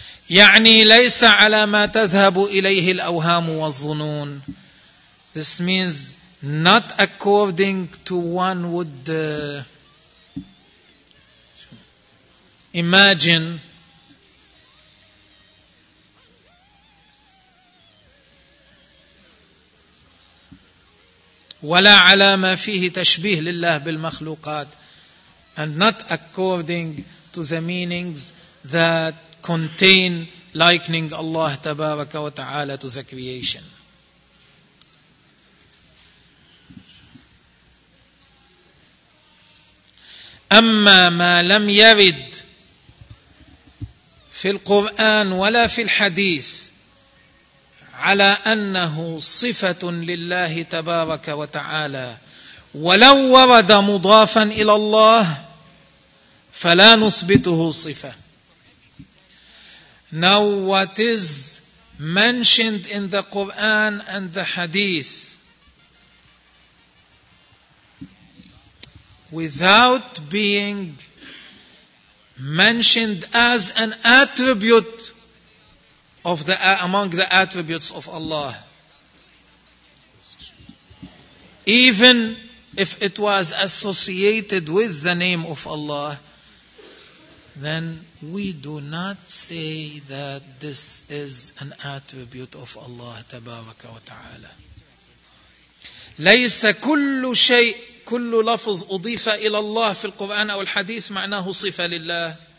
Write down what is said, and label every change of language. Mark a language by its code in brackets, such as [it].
[ar] يعني ليس على ما تذهب إليه الأوهام والظنون. [en] This means not according to one would imagine. [ar] ولا على ما فيه تشبيه لله بالمخلوقات. [en] And not according to the meanings that contain likening Allah tabaraka wa ta'ala to the creation. [ar] أما ما لم يرد في القرآن ولا في الحديث على أنه صفة لله تبارك وتعالى ولو ورد مضافا إلى الله فلا نثبته صفة. [en] Now what is mentioned in the Quran and the Hadith without being mentioned as an attribute of the among the attributes of Allah, even if it was associated with the name of Allah, then we do not say that this is an attribute of Allah [ar] تبارك وتعالى. ليس كل شيء كل لفظ أضيف إلى الله في القرآن أو الحديث معناه صفة لله.